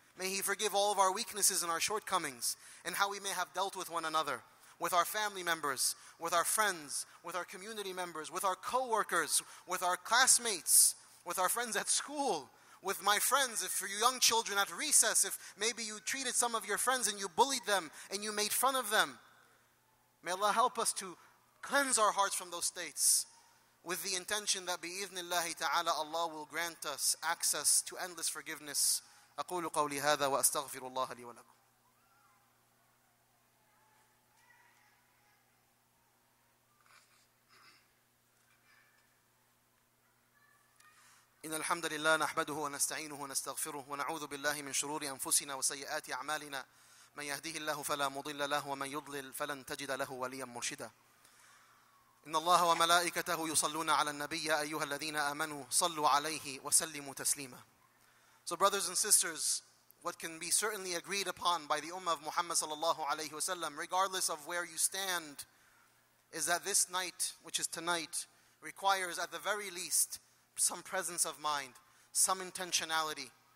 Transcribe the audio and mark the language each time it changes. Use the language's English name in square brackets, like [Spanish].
[English] May He forgive all of our weaknesses and our shortcomings and how we may have dealt with one another, with our family members, with our friends, with our community members, with our co-workers, with our classmates, with our friends at school, with my friends, if you're young children at recess, if maybe you treated some of your friends and you bullied them and you made fun of them. May Allah help us to cleanse our hearts from those states with the intention that [Arabic] bi-idhnillahi ta'ala [English] Allah will grant us access to endless forgiveness. [Arabic] أقول قولي هذا وأستغفر الله لي ولكم. إن الحمد لله نحمده ونستعينه ونستغفره ونعوذ بالله من شرور أنفسنا وسيئات أعمالنا. من يهده الله فلا مضل له ومن يضلل فلن تجد له وليا مرشدا. إن الله وملائكته يصلون على النبي يا أيها الذين آمنوا صلوا عليه وسلموا تسليما. [English] So brothers and sisters, what can be certainly agreed upon by the Ummah of Muhammad sallallahu alayhi wa sallam, regardless of where you stand, is that this night, which is tonight, requires at the very least some presence of mind, some intentionality.